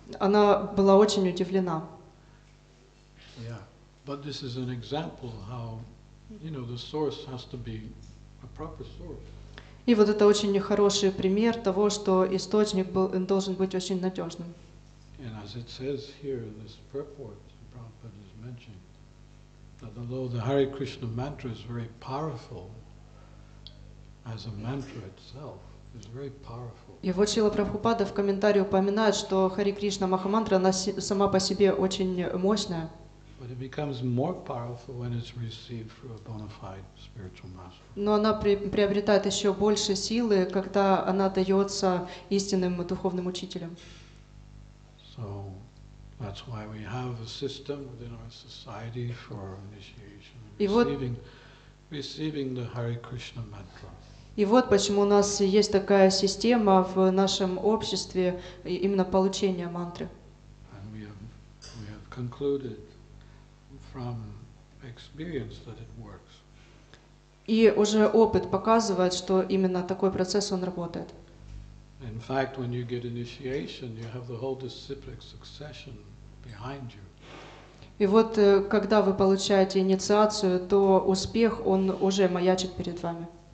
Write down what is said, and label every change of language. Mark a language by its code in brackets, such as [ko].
[ru] Она была очень удивлена. [en] Yeah, but this is an example how, you know, the source has to be a proper source. [ru] И вот это очень хороший пример того, что источник должен быть очень надежным. [en] And as it says here, this purport Prabhupada is mentioning that although the Hare Krishna mantra is very powerful as a mantra itself. It's very powerful. [ru] И вот Шрила Прабхупада в комментарии упоминает, что Хари Кришна Махамантра, она сама по себе очень мощная. [en] But it becomes more powerful when it's received through a bona fide spiritual master. [ru] Но она приобретает еще больше силы, когда она дается истинным духовным учителем. [en] So that's why we have a system within our society for initiation, receiving the Hare Krishna mantra. [ru] И вот почему у нас есть такая система в нашем обществе именно получения мантры. [en] And we have concluded from experience that it works. [ru] И уже опыт показывает, что именно такой процесс он работает. [en] In fact, when you get initiation, you have the whole disciplic succession behind you. [ru] И вот когда вы получаете инициацию, то успех, он уже маячит перед вами.